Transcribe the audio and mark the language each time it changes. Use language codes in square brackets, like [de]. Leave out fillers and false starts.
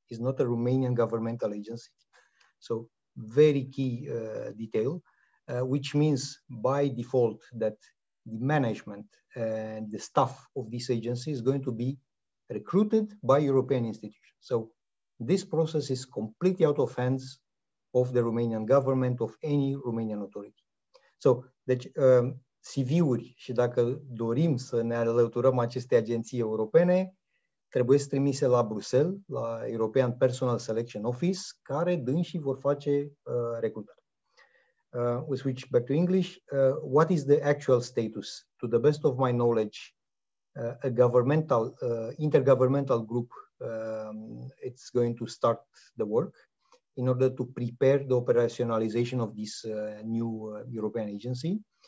[en] It's not a Romanian governmental agency. So very key detail, which means by default that the management and the staff of this agency is going to be recruited by European institutions. So this process is completely out of hands of the Romanian government, of any Romanian authority. [ro] So deci, CV-uri și dacă dorim să ne alăturăm acestei agenții europene, trebuie să trimise la Bruxelles, la European Personal Selection Office, care dânșii vor face recrutare. [en] We switch back to English. What is the actual status? To the best of my knowledge, a governmental, intergovernmental group, it's going to start the work in order to prepare the operationalization of this new European agency.